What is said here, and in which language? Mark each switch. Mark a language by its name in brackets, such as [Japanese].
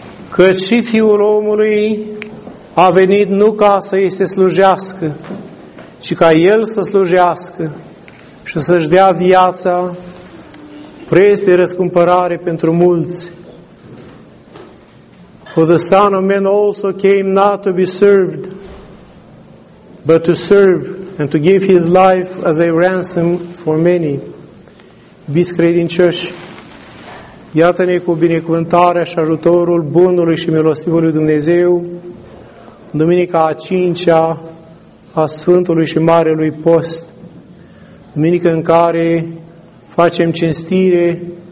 [Romanian] Căci și Fiul omului a venit nu ca să îi se slujească, ci ca El să slujească și să-și dea viața preț de răscumpărare pentru mulți. [English] For the Son of Man also came not to be served, but to serve and to give His life as a ransom for many. [Romanian] Iubiți credincioși, iată-ne cu binecuvântarea și ajutorul bunului și milostivului Dumnezeu, duminica a cincea a Sfântului și Marelui Post, duminică în care facem cinstire